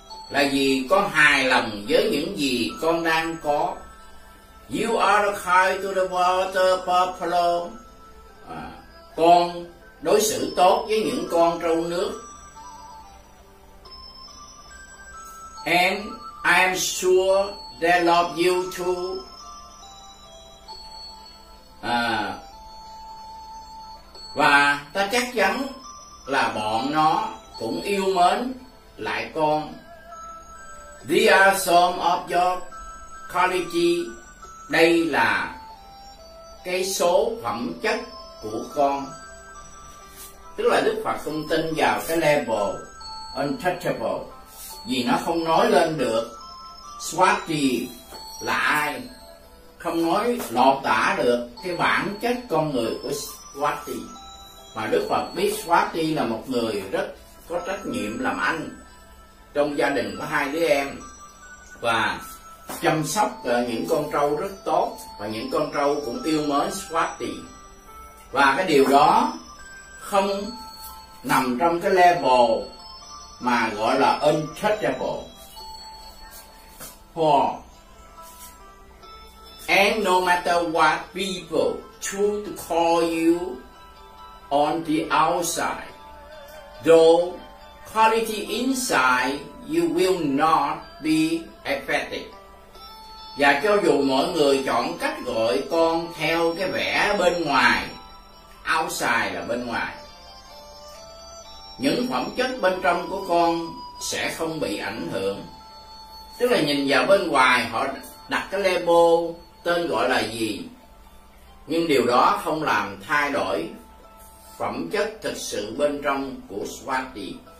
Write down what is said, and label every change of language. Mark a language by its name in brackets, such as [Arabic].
[Vietnamese] Là vì con hài lòng với những gì con đang có. [English] You are kind to the water buffalo. [Vietnamese] Con đối xử tốt với những con trâu nước. [English] And I am sure they love you too. [Vietnamese] Và ta chắc chắn là bọn nó cũng yêu mến lại con. [English] These are some of your quality. [Vietnamese] Đây là cái số phẩm chất của con. Tức là Đức Phật không tin vào cái label untouchable, vì nó không nói lên được Swati là ai, không nói lột tả được cái bản chất con người của Swati. Mà Đức Phật biết Swati là một người rất có trách nhiệm làm anh trong gia đình có hai đứa em và chăm sóc những con trâu rất tốt, và những con trâu cũng yêu mến Swati. Và cái điều đó không nằm trong cái level mà gọi là untouchable. [English] For and no matter what people choose to call you on the outside, though quality inside, you will not be affected. [Vietnamese] Và cho dù mọi người chọn cách gọi con theo cái vẻ bên ngoài, outside là bên ngoài, những phẩm chất bên trong của con sẽ không bị ảnh hưởng. Tức là nhìn vào bên ngoài họ đặt cái label tên gọi là gì, nhưng điều đó không làm thay đổi phẩm chất thực sự bên trong của Swati.